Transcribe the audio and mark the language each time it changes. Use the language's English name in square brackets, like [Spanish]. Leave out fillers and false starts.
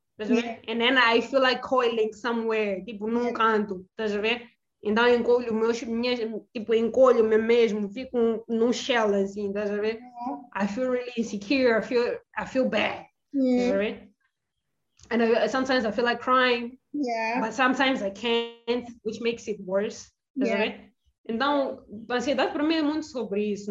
[English] And then I feel like coiling somewhere, [Portuguese] tipo num canto, estás a ver? Então encolho encolho-me mesmo, fico num shell assim, estás a ver? [English] I feel really insecure, I feel bad, [Portuguese] estás a ver? [English] And sometimes I feel like crying, but sometimes I can't, which makes it worse, [Portuguese] estás a ver? Então, a ansiedade para mim é muito sobre isso.